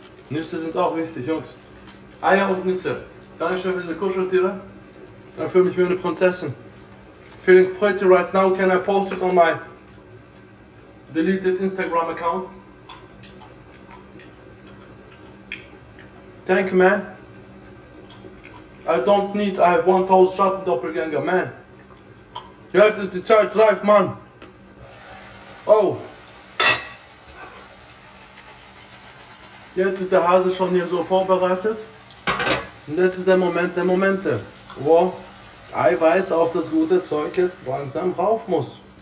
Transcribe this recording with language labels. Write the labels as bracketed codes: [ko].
[de] Nüsse sind auch wichtig, Jungs. Eier und Nüsse. Dankeschön für diese Kuscheltiere. Dann fühle mich wie eine Prinzessin. [en] Feeling pretty right now. Can I post it on my deleted Instagram account? Thank you, man. I don't need, I have 1,000 Stratton Doppelgänger, man. [de] Jetzt ist die Zeit reif, man. Oh. Jetzt ist der Hase schon hier so vorbereitet. Und jetzt ist der Moment der Momente, wo Eiweiß auf das gute Zeug jetzt langsam rauf muss.